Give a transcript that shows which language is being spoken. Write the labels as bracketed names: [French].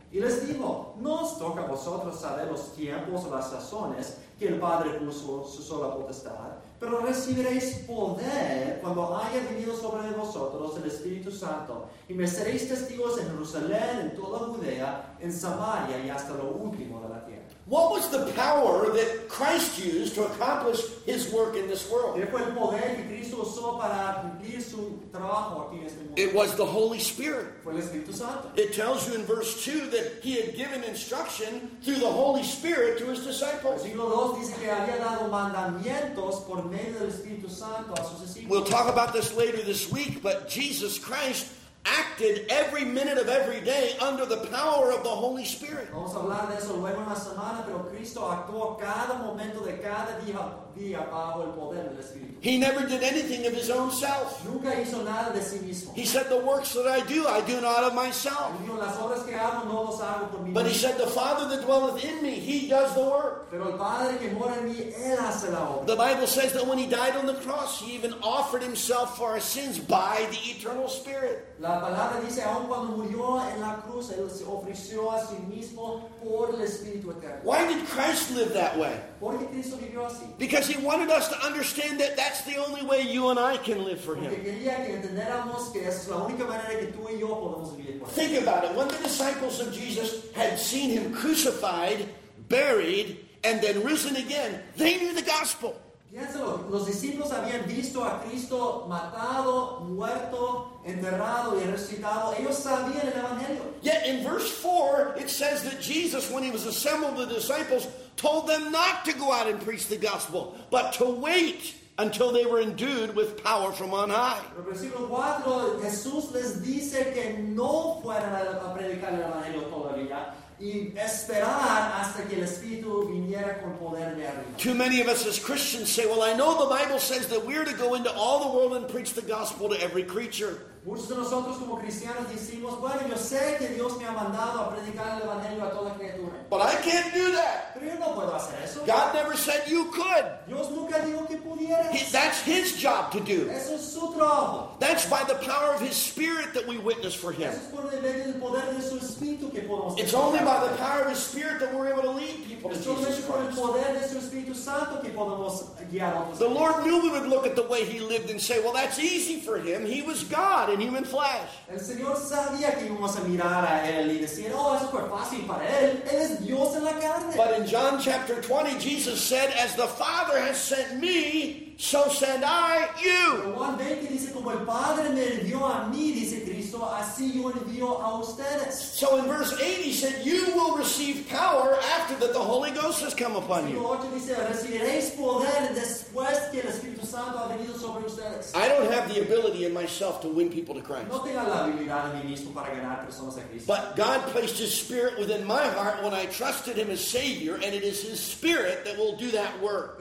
[Spanish] Y les dijo, no os toca a vosotros saber los tiempos o las sazones que el Padre puso su sola potestad, pero recibiréis poder cuando haya venido sobre vosotros el Espíritu Santo, y me seréis testigos en Jerusalén, en toda Judea, en Samaria y hasta lo último de la tierra. [English] What was the power that Christ used to accomplish his work in this world? [Spanish] ¿Qué fue el poder que Cristo usó para cumplir su trabajo aquí en este mundo? [English] It was the Holy Spirit. [Spanish] Fue el Espíritu Santo. [English] It tells you in verse 2 that he had given instruction through the Holy Spirit to his disciples. [Spanish] Versículo 2 dice que había dado mandamientos por medio del Espíritu Santo a sus discípulos. [English] We'll talk about this later this week, but Jesus Christ acted every minute of every day under the power of the Holy Spirit. [Spanish] Vamos a hablar de eso luego en la semana, pero Cristo actuó cada momento de cada día vía bajo el poder del Espíritu. [English] He never did anything of his own self. [Spanish] Nunca hizo nada de sí mismo. [English] He said, the works that I do not of myself. [Spanish] Dijo, las obras que hago, no los hago por mí. [English] But he said, the Father that dwelleth in me, he does the work. [Spanish] Pero el Padre que mora en mí, él hace la obra. [English] The Bible says that when he died on the cross, he even offered himself for our sins by the eternal Spirit. [Spanish] La palabra dice, aun cuando murió en la cruz, él se ofreció a sí mismo por el Espíritu Eterno. [English] Why did Christ live that way? [Spanish] ¿Por qué Cristo vivió así? [English] Because he wanted us to understand that that's the only way you and I can live for him. [Spanish] Porque quería que entendiéramos que esa es la única manera que tú y yo podemos vivir por él. [English] Think about it. When the disciples of Jesus had seen him crucified, buried, and then risen again, they knew the gospel. [Spanish] Piénsalo, los discípulos habían visto a Cristo matado, muerto, enterrado y resucitado. Ellos sabían el Evangelio. [English] Yet in verse 4, it says that Jesus, when he was assembled with the disciples, told them not to go out and preach the gospel, but to wait until they were endued with power from on high. [Spanish] En versículo 4, Jesús les dice que no fueran a predicar el Evangelio todavía, y esperar hasta que el Espíritu viniera con poder de arriba. [English] Too many of us as Christians say, well, I know the Bible says that we're to go into all the world and preach the gospel to every creature. [Spanish] Muchos de nosotros como cristianos decimos, bueno, yo sé que Dios me ha mandado a predicar el Evangelio a toda criatura. [English] But I can't do that. [Spanish] Pero yo no puedo hacer eso. [English] God never said you could. [Spanish] Dios nunca dijo que pudieras. [English] That's his job to do. [Spanish] Eso es su trabajo. [English] That's by the power of his Spirit that we witness for him. [Spanish] Eso es por el poder de su Espíritu que podemos [English] It's [Spanish] hacer. [English] Only by the power of his Spirit that we're able to lead people [Spanish] es [English] to Jesus Christ. [Spanish] Es solamente por el poder de su Espíritu Santo que podemos guiar a otros. [English] The Lord knew we would look at the way he lived and say, well, that's easy for him. He was God. In human flesh. [Spanish] El Señor sabía que íbamos a mirar a él y decir, oh, eso fue fácil para él. Él es Dios en la carne. [English] But in John chapter 20, Jesus said, as the Father has sent me, so send I you. [Spanish] Juan 20 dice, como el Padre me envió a mí, dice Cristo, así yo envío a ustedes. [English] So in verse 8, he said, you will receive power after that the Holy Ghost has come upon you. [Spanish] Dice, recibiréis poder después que el Espíritu Santo ha venido sobre ustedes. [English] I don't have the ability in myself to win people to Christ. [Spanish] No tengo la habilidad en mí mismo para ganar personas a Cristo. [English] But God placed his Spirit within my heart when I trusted him as Savior, and it is his Spirit that will do that work.